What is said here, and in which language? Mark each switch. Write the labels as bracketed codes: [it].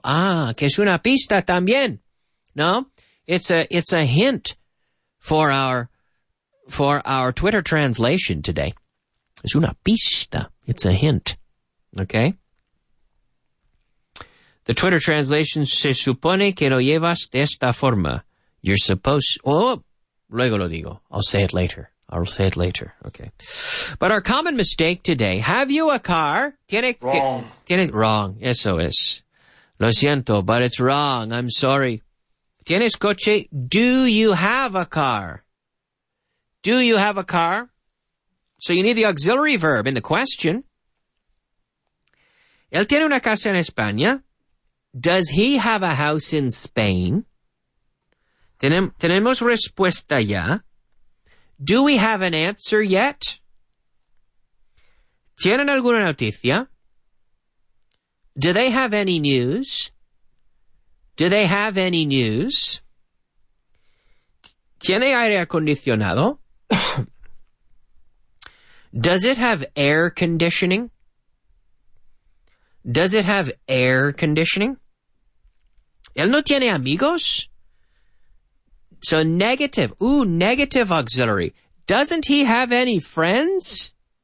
[es] Ah, que es una pista también. [en] No, it's a hint for our Twitter translation today. [es] Es una pista. [en] It's a hint. Okay. The Twitter translation, [es] se supone que lo llevas de esta forma. [en] You're supposed... [es] luego lo digo. [en] I'll say it later. Okay. But our common mistake today, have you a car? Tiene wrong. [es] Eso es. Lo siento, [en] but it's wrong. I'm sorry. [es] ¿Tienes coche? [en] Do you have a car? Do you have a car? So you need the auxiliary verb in the question. [es] ¿Él tiene una casa en España? [en] Does he have a house in Spain? [es] ¿Tenemos respuesta ya? [en] Do we have an answer yet? [es] ¿Tienen alguna noticia? [en] Do they have any news? Do they have any news? [es] ¿Tiene aire acondicionado? [en] Does it have air conditioning? Does it have air conditioning? [es] ¿Él no tiene amigos? [en] So negative. Ooh, negative auxiliary. Doesn't he have any friends?